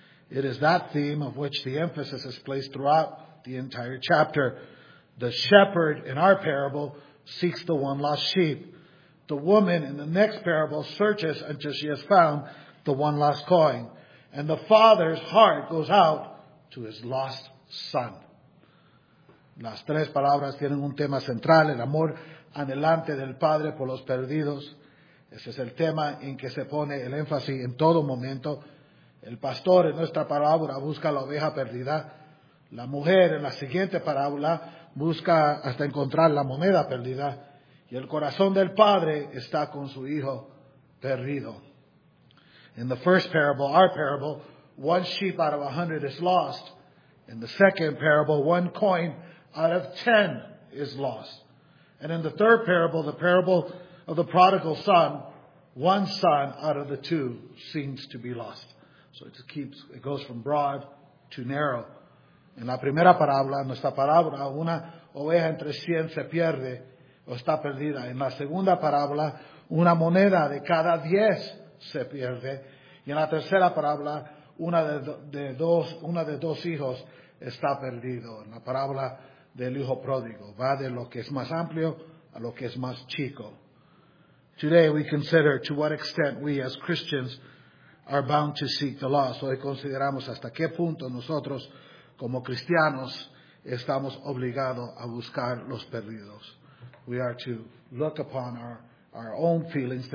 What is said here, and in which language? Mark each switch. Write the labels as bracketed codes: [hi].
[en] It is that theme of which the emphasis is placed throughout the entire chapter. The shepherd in our parable seeks the one lost sheep. The woman in the next parable searches until she has found the one lost coin. And the father's heart goes out to his lost son. [es] Las tres palabras tienen un tema central, el amor anhelante del padre por los perdidos. Ese es el tema en que se pone el énfasis en todo momento. El pastor en nuestra parábola busca la oveja perdida. La mujer en la siguiente parábola busca hasta encontrar la moneda perdida. Y el corazón del padre está con su hijo perdido. [en] In the first parable, our parable, one sheep out of 100 is lost. In the second parable, one coin out of 10 is lost. And in the third parable of the prodigal son, one son out of the two seems to be lost. So it keeps, it goes from broad to narrow. [es] En la primera parábola, nuestra parábola, una oveja entre 100 se pierde o está perdida. En la segunda parábola, una moneda de cada 10 se pierde. Y en la tercera parábola, una de dos hijos está perdido. En la parábola del hijo pródigo, va de lo que es más amplio a lo que es más chico. [en] Today we consider to what extent we as Christians are bound to seek the lost. [es] Hoy consideramos hasta qué punto nosotros como cristianos estamos obligados a buscar los perdidos. [en] We are to look upon our own feelings.